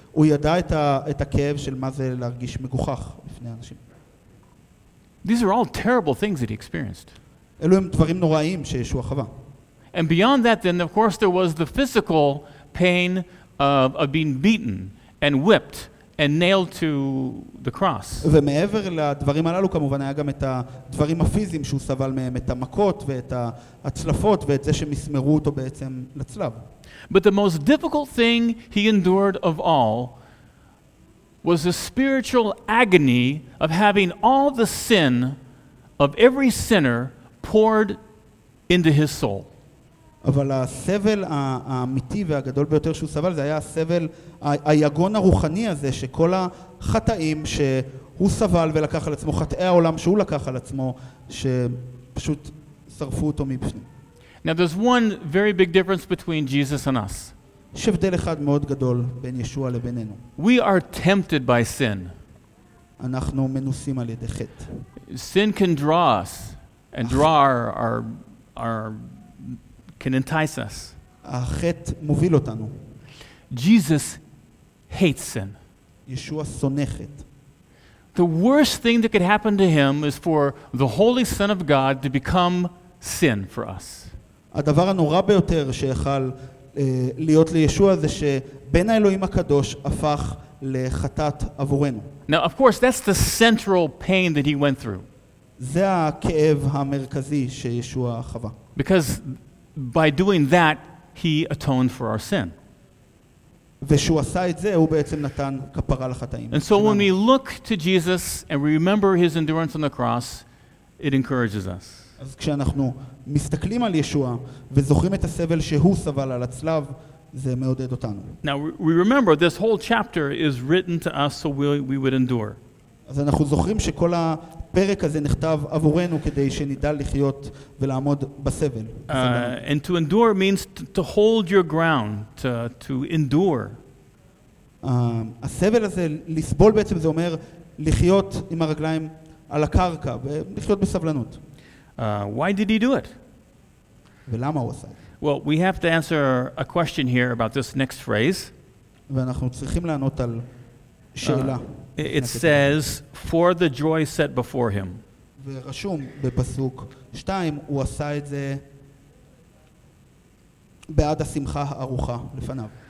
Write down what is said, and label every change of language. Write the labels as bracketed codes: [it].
[he] הוא ידע את הכאב של מה זה להרגיש מגוחך לפני אנשים. [en] These are all terrible things that he experienced. [he] אלו הם דברים נוראים שישוע חווה. [en] And beyond that, then of course there was the physical pain of being beaten and whipped and nailed to the cross. [he] ומעבר לדברים הללו כמובן היה גם את הדברים הפיזיים שהוא סבל מהם, את המכות ואת הצלפות ואת זה שמסמרו אותו בעצם לצלב. [en] But the most difficult thing he endured of all was the spiritual agony of having all the sin of every sinner poured into his soul. [he] אבל הסבל האמיתי והגדול ביותר שהוא סבל, זה היה הסבל, היגון הרוחני הזה, שכל החטאים שהוא סבל ולקח על עצמו, חטאי העולם שהוא לקח על עצמו, שפשוט שרפו אותו מבפנים. [en] Now there's one very big difference between Jesus and us. [he] יש הבדל אחד מאוד גדול בין ישוע לבינינו. [en] We are tempted by sin. [he] אנחנו מנוסים על ידי חטא. [en] Sin can draw us and draw our can entice us. [he] החטא מוביל אותנו. [en] Jesus hates sin. [he] ישוע שונא חטא. [en] The worst thing that could happen to him is for the Holy Son of God to become sin for us. [he] הדבר הנורא ביותר שיכל להיות לישוע זה שבן האלוהים הקדוש הפך לחטאת עבורנו. [en] Now of course that's the central pain that he went through. [he] זה הכאב המרכזי שישוע חווה. [en] Because by doing that he atoned for our sin. [he] וישוע עשה את זה, הוא בעצם נתן כפרה לחטאים. [en] And so when we look to Jesus and remember his endurance on the cross, it encourages us. [he] אז כשאנחנו מסתכלים על ישוע וזוכרים את הסבל שהוא סבל על הצלב, זה מעודד אותנו. [en] Now we remember this whole chapter is written to us so we would endure. [he] אז אנחנו זוכרים שכל הפרק הזה נכתב עבורנו כדי שנדע לחיות ולעמוד בסבל. [en] And to endure means to hold your ground, to endure. [he] הסבל הזה, לסבול בעצם, זה אומר לחיות עם הרגליים על הקרקע ולחיות בסבלנות. [en] Why did he do it? [he] ולמה הוא עשה? [en] Well, we have to answer a question here about this next phrase. [he] ואנחנו צריכים לענות על שאלה. [en] It says for the joy set before him. [he] ורשום בפסוק 2 הוא עשה את זה בעד השמחה הארוכה לפניו.